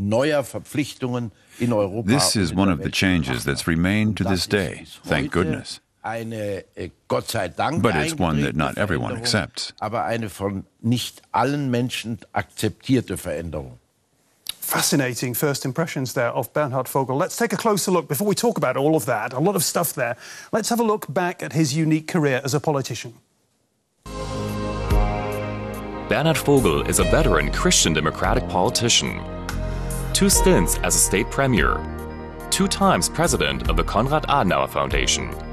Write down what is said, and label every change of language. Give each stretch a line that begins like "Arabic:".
English: This is one of the changes that's remained to this day, thank goodness. But it's one that not everyone accepts.
German: Aber eine von nicht allen Menschen akzeptierte Veränderung.
English: Fascinating first impressions there of Bernhard Vogel. Let's take a closer look before we talk about all of that, a lot of stuff there. Let's have a look back at his unique career as a politician. Bernhard Vogel is a veteran Christian Democratic politician. Two stints as a state premier. Two times president of the Konrad Adenauer Foundation.